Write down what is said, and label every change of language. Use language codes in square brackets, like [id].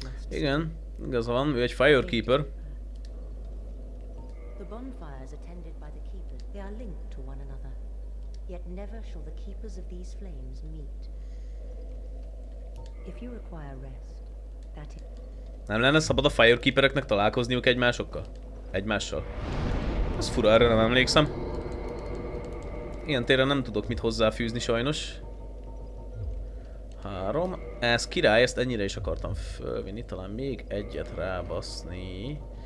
[hu] Igen, igaz van, ő egy Firekeeper. [en] The bonfires attended by the keepers, they are linked to one another. yet never shall the keepers of these flames meet. If you require rest, that is... [hu] Nem lenne szabad a Firekeepereknek találkozniuk egymásokkal? Egymással? Az fura, erre nem emlékszem. Ilyen téren nem tudok mit hozzáfűzni sajnos. Három. Ez király, ezt ennyire is akartam fölvinni. Talán még egyet rábaszni.